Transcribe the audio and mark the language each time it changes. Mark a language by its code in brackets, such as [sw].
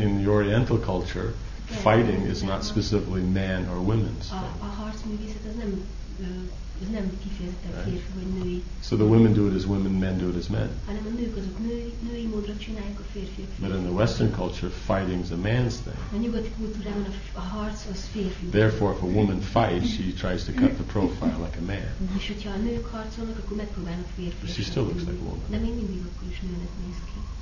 [en] In the Oriental culture, fighting is not specifically man or women's thing. [hu] A harc művészet az nem kifejezetten férfi vagy női. [en] So the women do it as women, men do it as men. [hu] Hanem a nők azok női módra csinálják, a férfiak. [en] But in the Western culture, fighting is a man's thing. [hu] A nyugati kultúrában a harc az férfi. [en] Therefore, if a woman fights, she tries to cut the profile like a man. [hu] És hogyha a nők harcolnak, akkor megpróbálnak férfi. [en] She still looks like a woman. [hu] De még mindig akkor is nőnek néz ki.